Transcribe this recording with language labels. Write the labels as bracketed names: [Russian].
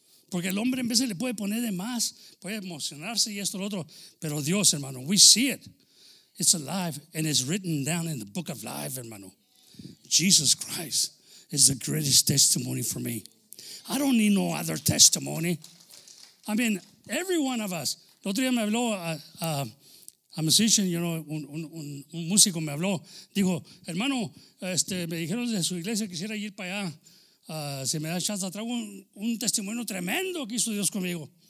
[Spanish] Porque el hombre en vez le puede poner de más, puede emocionarse y esto y lo otro. Pero Dios, [English] hermano, we see it. It's alive and it's written down in the book of life, hermano. Jesus Christ is the greatest testimony for me. I don't need no other testimony. I mean, every one of us. [Spanish] El otro día me habló [English] a musician, you know, [Spanish] un músico me habló. Dijo, hermano, me dijeron de su iglesia, quisiera ir para allá. Si me da chance, traigo un testimonio tremendo que hizo Dios conmigo.